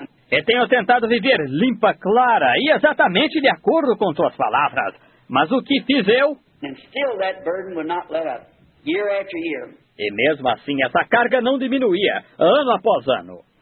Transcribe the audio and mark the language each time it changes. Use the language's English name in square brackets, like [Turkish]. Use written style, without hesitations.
[Portuguese] E tenho tentado viver limpa, clara e exatamente de acordo com Tuas palavras. Mas o que fiz eu? [English] And still that burden would not let up, year after year. [Portuguese] E mesmo assim, essa carga não diminuía, ano após ano.